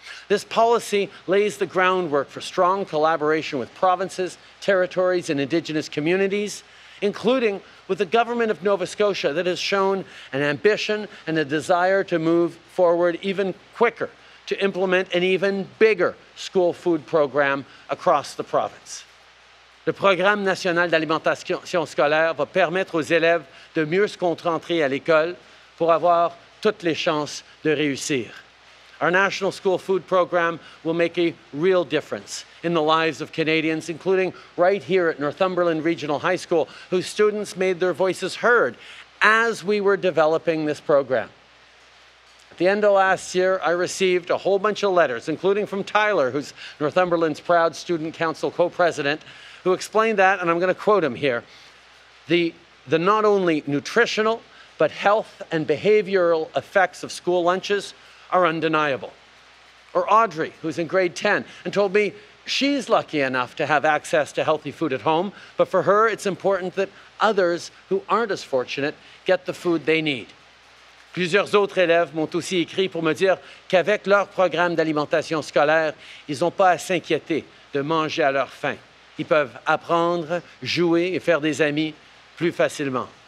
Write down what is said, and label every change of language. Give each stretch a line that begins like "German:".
English: This policy lays the groundwork for strong collaboration with provinces, territories, and Indigenous communities, including with the government of Nova Scotia that has shown an ambition and a desire to move forward even quicker to implement an even bigger school food program across the province.
French: Le Programme national d'alimentation scolaire va permettre aux élèves de mieux se concentrer à l'école pour avoir toutes les chances de réussir.
English: Our National School Food Program will make a real difference in the lives of Canadians, including right here at Northumberland Regional High School, whose students made their voices heard as we were developing this program. At the end of last year, I received a whole bunch of letters, including from Tyler, who's Northumberland's proud Student Council co-president, who explained that, and I'm going to quote him here, the not only nutritional, but health and behavioral effects of school lunches are undeniable. Or Audrey, who's in grade 10, and told me she's lucky enough to have access to healthy food at home, but for her, it's important that others who aren't as fortunate get the food they need.
French: Plusieurs autres élèves m'ont aussi écrit pour me dire qu'avec leur programme d'alimentation scolaire, ils n'ont pas à s'inquiéter de manger à leur faim. Ils peuvent apprendre, jouer et faire des amis plus facilement.